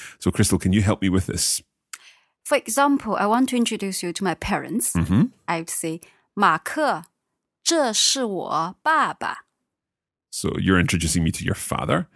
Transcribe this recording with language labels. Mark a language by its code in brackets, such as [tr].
[en] So Crystal, can you help me with this? For example, I want to introduce you to my parents. Mm-hmm. I'd say, [zh] 马克,这是我爸爸. [en] So you're introducing me to your father.